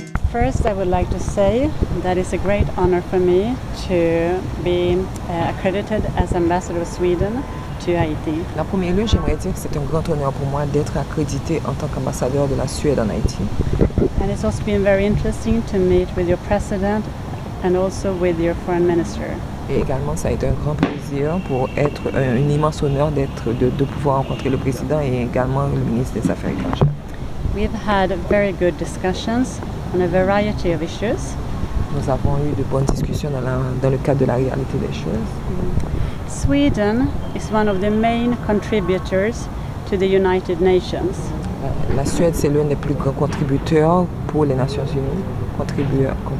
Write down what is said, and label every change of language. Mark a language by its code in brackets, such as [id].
[en] First, I would like to say that it's a great honor for me to be accredited as ambassador of Sweden to Haiti. [fr] En premier lieu, j'aimerais dire que c'est un grand honneur pour moi d'être accrédité en tant qu'ambassadeur de la Suède en Haïti. [en] And it's also been very interesting to meet with your president and also with your foreign minister. [fr] Et également, ça a été un grand plaisir pour être un immense honneur d'être de pouvoir rencontrer le président et également le ministre des Affaires étrangères. [en] We've had very good discussions on a variety of issues. [fr] Nous avons eu de bonnes discussions dans le cadre de la réalité des choses. [en] Sweden is one of the main contributors to the United Nations. [fr] La Suède, c'est l'un des plus grands contributeurs pour les Nations Unies.